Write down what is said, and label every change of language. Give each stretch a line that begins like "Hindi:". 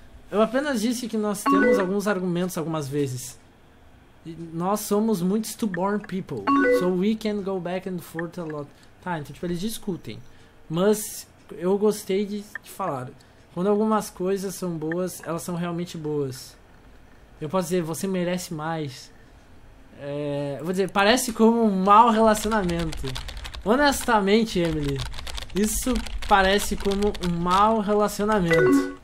Portuguese: Eu apenas disse que nós temos alguns argumentos algumas vezes. Nós somos muito
English: stubborn people. So we can go back and forth a lot.
Portuguese: Tá, então tipo, eles discutem. Mas eu gostei de falar. Quando algumas coisas são boas, elas são realmente boas. Eu posso dizer, você merece mais. Vou dizer, parece como um mau relacionamento. Honestamente, Emily, isso parece como um mau relacionamento.